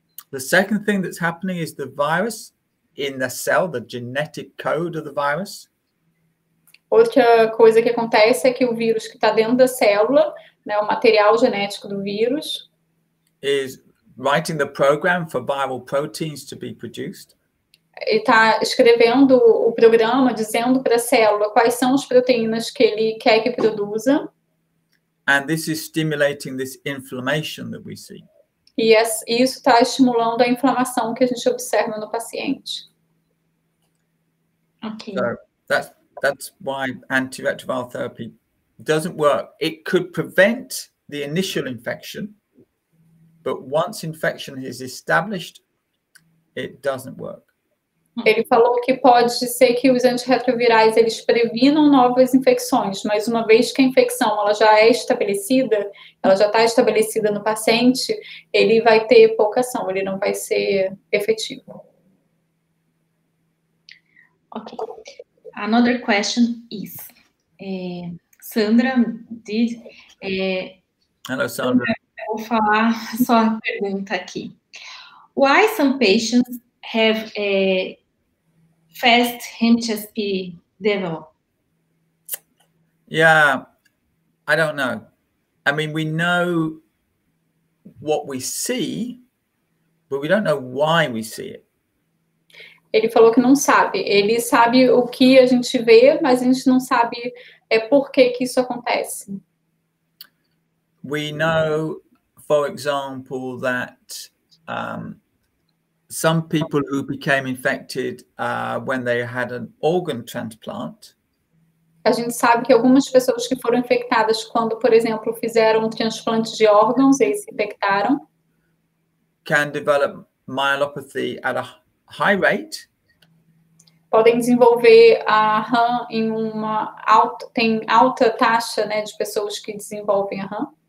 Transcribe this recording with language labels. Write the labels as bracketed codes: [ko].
[en] The second thing that's happening is the virus in the cell, the genetic code of the virus. [pt] Outra coisa que acontece é que o vírus que está dentro da célula, né, o material genético do vírus, [en] is writing the program for viral proteins to be produced. [pt] está escrevendo o programa, dizendo para a célula quais são as proteínas que ele quer que produza. [en] And this is stimulating this inflammation that we see. [pt] E isso está estimulando a inflamação que a gente observa no paciente. [en] Okay. So that's why antiretroviral therapy doesn't work. It could prevent the initial infection, but once infection is established, it doesn't work. [pt] Ele falou que pode ser que os antirretrovirais eles previnam novas infecções, mas uma vez que a infecção ela já é estabelecida, ela já está estabelecida no paciente, ele vai ter pouca ação, ele não vai ser efetivo. [en] Ok. Another question is, Sandra, Hello, Sandra. [pt] Vou falar só a pergunta aqui. [en] Why some patients have a fast HSP devil? Yeah, I don't know. I mean, we know what we see, but we don't know why we see it. [pt] Ele falou que não sabe. Ele sabe o que a gente vê, mas a gente não sabe por que que isso acontece. [en] We know, for example, that some people who became infected when they had an organ transplant. [pt] A gente sabe que algumas pessoas que foram infectadas quando, por exemplo, fizeram um transplante de órgãos, eles se infectaram. [en] Can develop myelopathy at a high rate. [pt] Podem desenvolver a RAM em uma alta, tem alta taxa, né, de pessoas que desenvolvem a RAM.